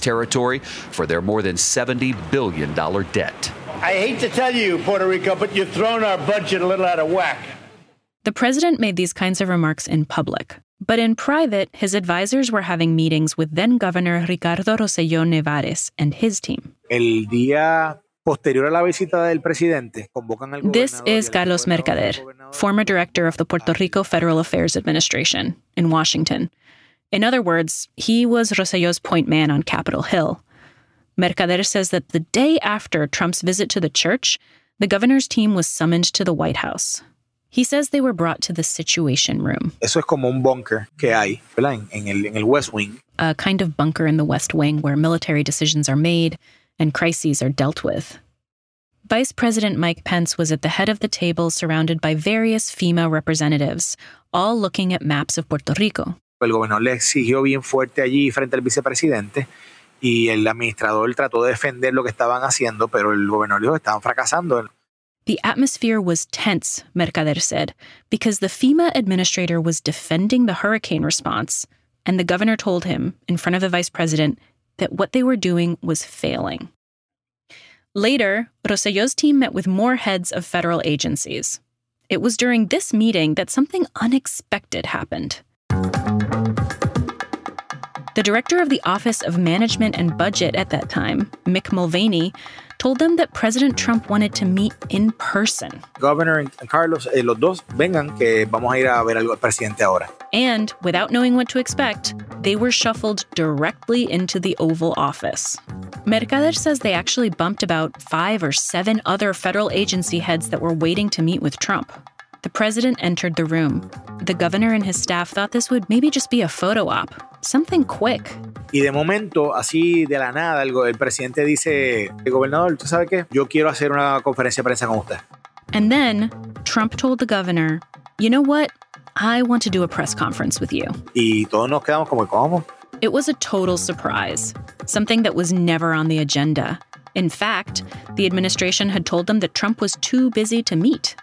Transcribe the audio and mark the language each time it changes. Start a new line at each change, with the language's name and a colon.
English: territory for their more than $70 billion debt. I hate to tell you, Puerto Rico, but you've thrown our budget a little out of whack. The president made these kinds of remarks in public. But in private, his advisors were having meetings with then-Governor Ricardo Rosselló Nevarez and his team.
Spanish: El día posterior a la visita del presidente, convocan al gobernador.
English: This is Carlos Mercader, former director of the Puerto Rico Federal Affairs Administration in Washington. In other words, he was Rosselló's point man on Capitol Hill. Mercader says that the day after Trump's visit to the church, the governor's team was summoned to the White House. He says they were brought to the Situation Room.
Spanish: Eso es como un bunker que hay, ¿verdad? En el West Wing.
English: A kind of bunker in the West Wing where military decisions are made and crises are dealt with. Vice President Mike Pence was at the head of the table surrounded by various FEMA representatives, all looking at maps of Puerto Rico.
Spanish: El gobernador le exigió bien fuerte allí frente al vicepresidente y el administrador trató de defender lo que estaban haciendo, pero el gobernador dijo que estaban fracasando.
English: The atmosphere was tense, Mercader said, because the FEMA administrator was defending the hurricane response, and the governor told him, in front of the vice president, that what they were doing was failing. Later, Rosselló's team met with more heads of federal agencies. It was during this meeting that something unexpected happened. The director of the Office of Management and Budget at that time, Mick Mulvaney, told them that President Trump wanted to meet in person.
Spanish: Governor and Carlos, los dos vengan que vamos a ir a ver al presidente ahora.
English: And without knowing what to expect, they were shuffled directly into the Oval Office. Mercader says they actually bumped about 5 or 7 other federal agency heads that were waiting to meet with Trump. The president entered the room. The governor and his staff thought this would maybe just be a photo op, something quick.
Spanish: Y de momento, así de la nada, el presidente dice, gobernador, ¿tú sabes qué? Yo quiero hacer una conferencia de prensa con usted.
English: And then, Trump told the governor, you know what? I want to do a press conference with you.
Spanish: Y todos nos quedamos como, ¿cómo?
English: It was a total surprise, something that was never on the agenda. In fact, the administration had told them that Trump was too busy to meet.